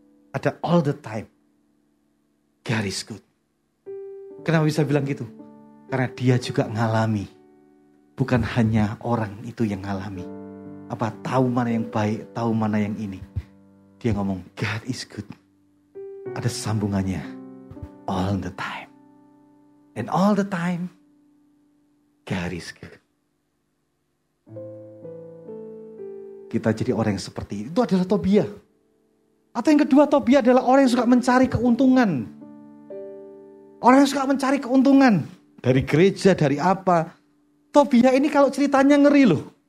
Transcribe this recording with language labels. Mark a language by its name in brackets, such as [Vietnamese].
[Indonesian] Ada [English] all the time, God is good. [Indonesian] Kenapa bisa bilang gitu? Karena dia juga ngalami. Bukan hanya orang itu yang ngalami. Apa tahu mana yang baik, tahu mana yang ini. Dia ngomong, [English] God is good. [Indonesian] Ada sambungannya, [English] all the time. And all the time, God is good. [Indonesian] Kita jadi orang yang seperti itu adalah Tobia. Atau yang kedua, Tobia adalah orang yang suka mencari keuntungan. Orang yang suka mencari keuntungan. Dari gereja, dari apa. Tobia ini kalau ceritanya ngeri loh.